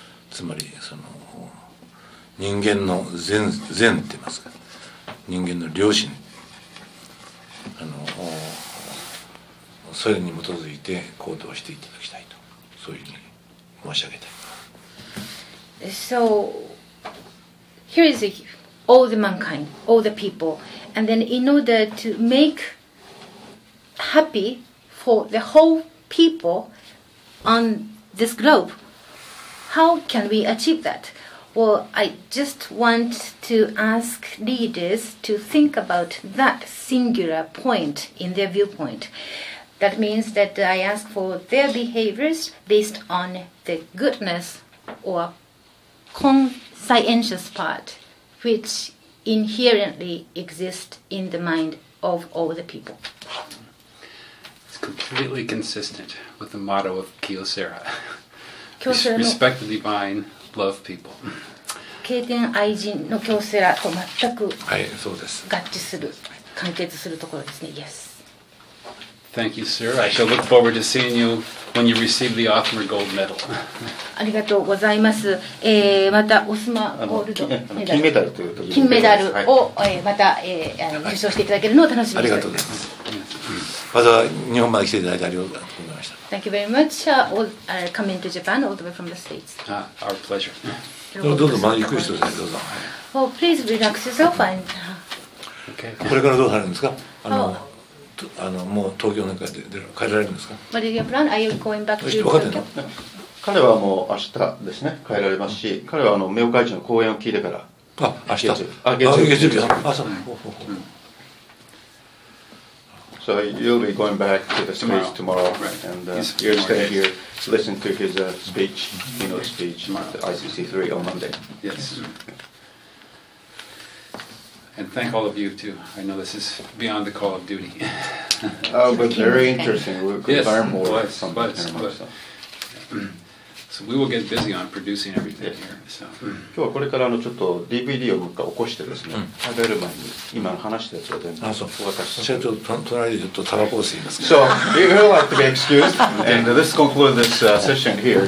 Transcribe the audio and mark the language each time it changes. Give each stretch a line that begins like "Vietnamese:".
Japanese: つまりその人間の善って言いますか、人間の良心、それに基づいて行動していただきたいと、そういうふうに申し上げたい。
English: So here is all the mankind, all the people, and then in order to make happy for the whole people on this globe, how can we achieve that? Well, I just want to ask leaders to think about that singular point in their viewpoint. That means that I ask for their behaviors based on the goodness or conscientious part, which inherently exists in the mind of all the people. It's completely consistent with the motto of Kyocera. Respect the divine, love people.
Japanese: 敬天愛人の京セラと全く、はい、そうです、合致する、完結するところですね。
English: Yes. Thank you, sir. I shall look forward to seeing you when you receive the Othmar Gold Medal.
Japanese: ありがとうございます。またオスマゴールドメダル、金メダルというと金メダルを、はい、また、受賞していただけるのを楽しみにしております。ありがとうございます。まずは日本まで来ていただいてありがとうございました。
English: Thank you very much. Coming to Japan all the way from the States. Our pleasure.
Japanese: どうぞ、まあ、ゆっくりしてください。どうぞ。
English: Well, please relax yourself. And... Okay.
Japanese: これからどうされるんですか、あのもう東京なんかで帰られるんですか。
English: What is your plan? Are you going back to Tokyo?
Japanese: 彼はもう明日ですね、帰られますし、彼はあの明会寺の講演を聞いてから。あ、明日。月曜日。あ、そう。
English: So you'll be going back to the States tomorrow, right. And you're staying here to listen to his speech, you know, speech at the ICC 3 on Monday. Yes. And thank all of you too. I know this is beyond the call of duty. Oh, but very interesting. We could learn more. Yes, So we will get busy on producing everything here. So.
Japanese: 今日はこれからあのちょっと DVD を起こしてですね、食べる前に今話したやつを全部。あ、そう。私はちょっと隣でちょっとタバコを吸います
English: か。So you will have to be excused, and this concludes this session here.